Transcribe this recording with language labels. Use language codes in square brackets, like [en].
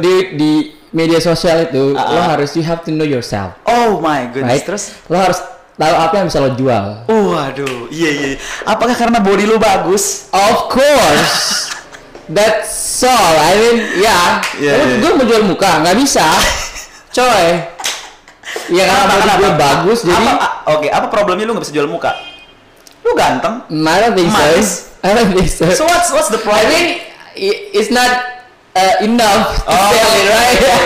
[id] Di media sosial itu lo harus, [en] you have to know yourself. Oh my goodness. [id] Terus lo harus tahu apa yang bisa lo jual. Waduh, iya iya. Apakah karena body lo bagus? [en] Of course. That's all. I mean, [id] gue mau jual muka, nggak bisa. Coy. Iya karena body gue bagus, jadi. Apa problemnya lo nggak bisa jual muka? Lo ganteng. [en] I don't think so. So what's the problem? I mean, it's not enough to sell it, right?